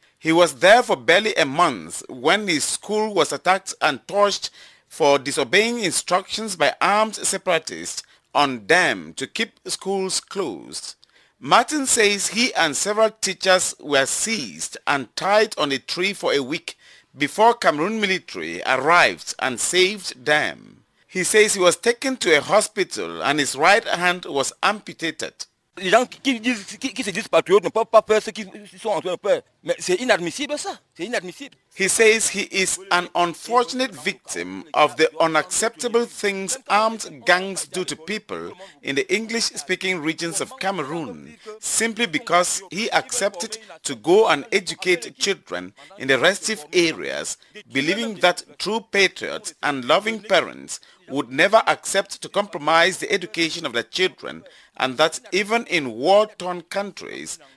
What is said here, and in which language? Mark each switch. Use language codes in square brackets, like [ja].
[en] He was there for barely a month when his school was attacked and torched for disobeying instructions by armed separatists on them to keep schools closed. Martin says he and several teachers were seized and tied on a tree for a week before Cameroon military arrived and saved them. He says he was taken to a hospital and his right hand was amputated. [fr] Les gens qui se disent patriotes ne peuvent pas faire ce qu'ils sont en train de faire. Mais c'est inadmissible ça. C'est inadmissible. [en] He says he is an unfortunate victim of the unacceptable things armed gangs do to people in the English-speaking regions of Cameroon, simply because he accepted to go and educate children in the restive areas, believing that true patriots and loving parents would never accept to compromise the education of their children, and that even in war-torn countries,